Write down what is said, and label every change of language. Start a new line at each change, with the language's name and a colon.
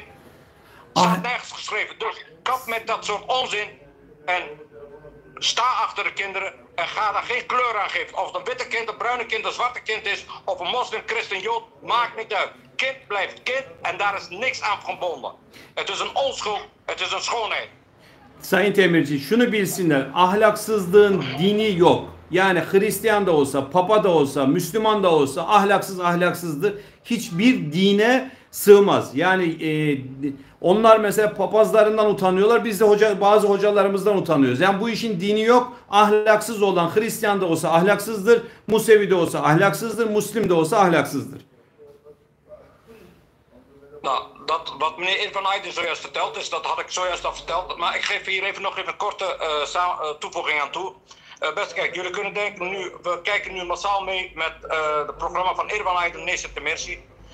Dutch: Het staat nergens geschreven. Dus kap met dat soort onzin en sta achter de kinderen en ga daar geen kleur aan geven. Of het een witte kind, een bruine kind, een zwarte kind is, of een moslim, christen, jood, maakt niet uit. Kind blijft kind en daar is niks aan verbonden. Het is een onschuld, het is een schoonheid.
Turkish: Sayın Temirci, şunu bilsinler. Ahlaksızlığın dini yok. Yani Hristiyan da olsa, Papa da olsa, Müslüman da olsa ahlaksız ahlaksızdır. Hiçbir dine sığmaz. Yani onlar mesela papazlarından utanıyorlar. Biz de bazı hocalarımızdan utanıyoruz. Yani bu işin dini yok. Ahlaksız olan Hristiyan da olsa ahlaksızdır. Musevi de olsa ahlaksızdır. Müslüman da olsa ahlaksızdır.
Dutch: Nou, dat wat meneer Irwin Heiden zojuist verteld is, dat had ik zojuist al verteld. Maar ik geef hier even nog even een korte toevoeging aan toe. Beste kijk, jullie kunnen denken nu, we kijken nu massaal mee met het programma van Irwin Heiden, Neset Temirci.